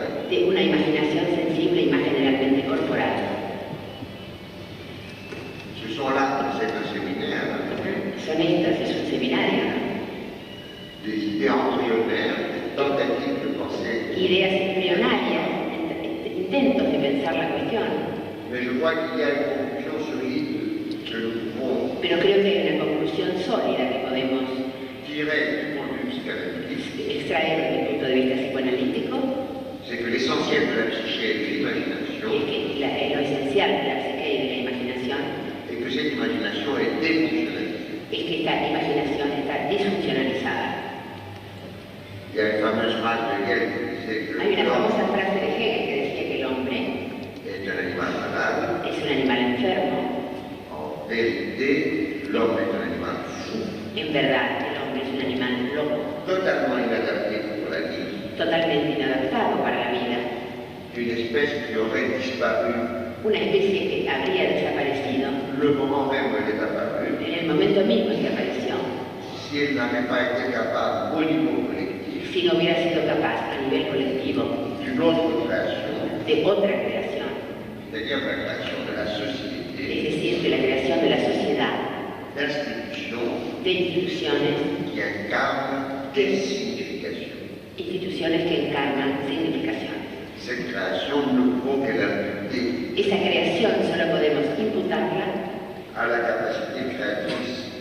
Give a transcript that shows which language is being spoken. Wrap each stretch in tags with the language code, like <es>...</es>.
<es>De una imaginación sensible y más generalmente corporal.</es> <fr>Ce sont là, c'est un séminaire.</fr> <es>Son estas, es un seminario.</es> <fr>Des idées embryonnaires, tentatives de penser.</fr> <es>Ideas embrionarias, intentos de pensar la cuestión.</es> <fr>Mais je vois qu'il y a une conclusion solide que nous pouvons.</fr> <es>Pero creo que hay una conclusión sólida que podemos.</es> <fr>Tirer du point de vue psicanalítico.</fr> <es>Extraer desde el punto de vista psicoanalítico.</es> <fr>C'est que l'essentiel de la psyché est de l'imagination.</fr> <es>Es que lo esencial de la psyché es de la imaginación.</es> <fr>Et que cette imagination est défonctionnalisée.</fr> <es>Es que esta imaginación está disfuncionalizada.</es> <fr>Il y a une fameuse phrase de Hegel qui disait que.</fr> <es>Hay una famosa frase de Hegel que decía que el hombre.</es> <fr>Est un animal malade.</fr> <es>Es un animal enfermo.</es> <fr>En vérité, l'homme est un animal fou.</fr> <es>En verdad, el hombre es un animal loco.</es> <fr>Totalement inadapté pour la vie.</fr> <es>Totalmente inadaptado para la vida.</es> <fr>Une espèce qui aurait disparu.</fr> <es>Una especie que habría desaparecido.</es> <fr>Le moment même où elle est apparue.</fr> <es>En el momento mismo que apareció.</es> <fr>Si elle n'avait pas été capable au niveau collectif.</fr> <es>Si no hubiera sido capaz a nivel colectivo.</es> <fr>D'une autre création.</fr> <es>De otra creación.</es> <fr>C'est-à-dire la création de la société.</fr> <es>Es decir, de la creación de la sociedad.</es> <fr>D'institutions.</fr> <es>Instituciones.</es> <fr>Qui incarnent des significations.</fr> <es>Instituciones que encarnan significaciones.</es> <fr>Cette création, nous ne pouvons que l'imputer.</fr> <es>Esa creación solo podemos imputarla.</es> <fr>A la capacité créatrice.</fr>